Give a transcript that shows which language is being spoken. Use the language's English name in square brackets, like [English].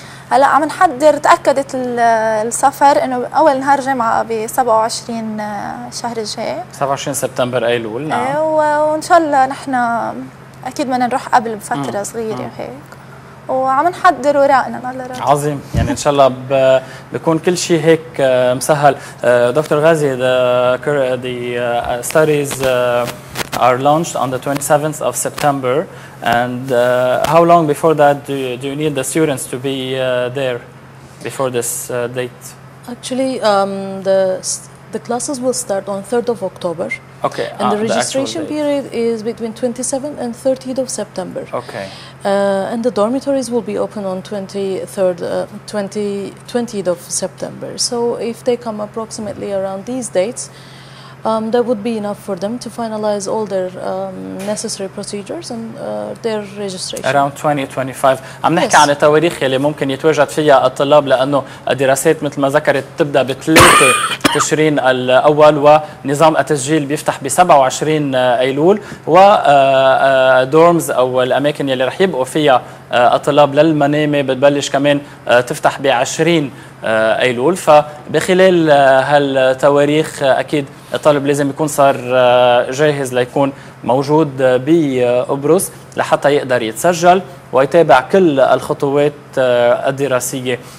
[Arabic] هلا عم نحضر تاكدت السفر انه اول نهار جمعه ب 27 الشهر الجاي 27 سبتمبر ايلول. نعم وان شاء الله نحن اكيد بدنا نروح قبل بفتره صغيره وهيك وعم نحضر ورقنا الله يرضى. عظيم يعني ان شاء الله بكون كل شيء هيك مسهل. [English] Doctor Ghazi the studies are launched on the 27th of September and how long before that do you need the students to be there before this date? Actually the classes will start on 3rd of October. Okay. And the registration period is between 27th and 30th of September. Okay. And the dormitories will be open on 20th of September. So if they come approximately around these dates that would be enough for them to finalize all their necessary procedures and their registration. Around 2025. [Arabic] عم نحكي عن التواريخ اللي ممكن يتواجد فيها الطلاب لأنه الدراسات مثل ما ذكرت تبدأ ب 3 تشرين الأول ونظام التسجيل بيفتح ب 27 أيلول ودورمز أو الأماكن اللي رح يبقوا فيها الطلاب للمنامة بتبلش كمان تفتح ب 20 أيلول فبخلال هالتواريخ أكيد الطالب لازم يكون صار جاهز ليكون موجود بأبروس لحتى يقدر يتسجل ويتابع كل الخطوات الدراسية.